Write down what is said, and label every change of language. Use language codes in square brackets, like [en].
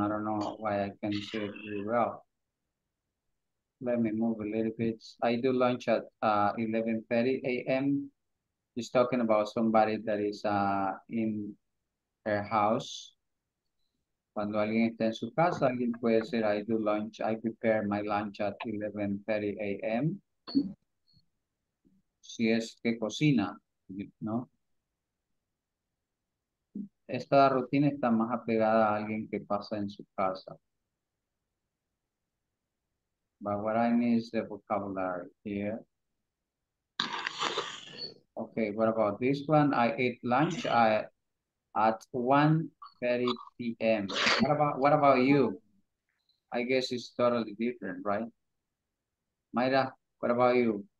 [en] I don't know why I can say it very well. Let me move a little bit. I do lunch at 11:30 a.m. He's talking about somebody that is in her house. [es] Cuando alguien está en su casa, alguien puede decir, [en] I do lunch. I prepare my lunch at 11:30 a.m. [es] Si es que cocina, ¿no? Esta rutina está más apegada a alguien que pasa en su casa. [en] But what I mean is the vocabulary here. Okay, what about this one? I ate lunch at 1:30 p.m. What about you? I guess it's totally different, right? Mayra, what about you?